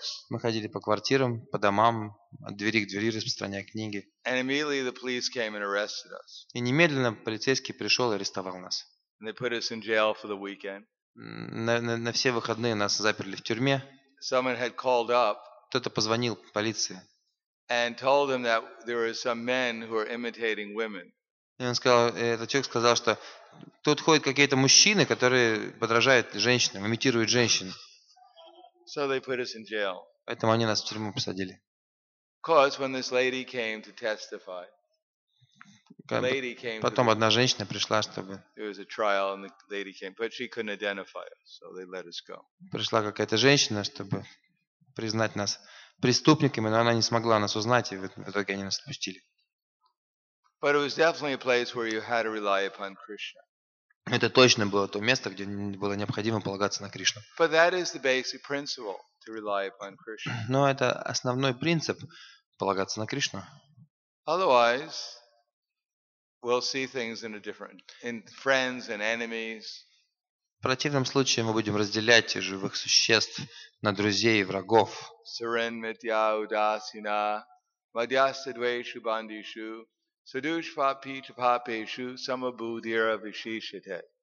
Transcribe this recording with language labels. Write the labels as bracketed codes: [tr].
[ru] Мы ходили по квартирам, по домам, от двери к двери, распространяя книги. [en] And immediately the police came and arrested us. [ru] И немедленно полицейский пришел и арестовал нас. [en] And they put us in jail for the weekend. [ru] На все выходные нас заперли в тюрьме. [en] Someone had called up. [ru] Кто-то позвонил полиции. [en] And told him that there were some men who are imitating women. [ru] И он сказал, этот человек сказал, что тут ходят какие-то мужчины, которые подражают женщинам, имитируют женщин. [en] So they put us in jail. [ru] Поэтому они нас в тюрьму посадили. [en] Because when this lady came to testify, [ru] потом одна женщина пришла, чтобы. [en] There was a trial, and the lady came, but she couldn't identify us, so they let us go. [ru] Пришла какая-то женщина, чтобы признать нас преступниками, но она не смогла нас узнать, и в итоге они нас отпустили. [en] But it was definitely a place where you had to rely upon Krishna. [ru] Это точно было то место, где было необходимо полагаться на Кришну. [en] But that is the basic principle to rely upon Krishna. [ru] Но это основной принцип полагаться на Кришну. [en] Otherwise, we'll see things in a different, in friends and enemies. [ru] В противном случае мы будем разделять живых существ на друзей и врагов. [sa] Сирен митья удасина мадьясадвейшу бандишу садушвапичапапешу самабудира вишишите.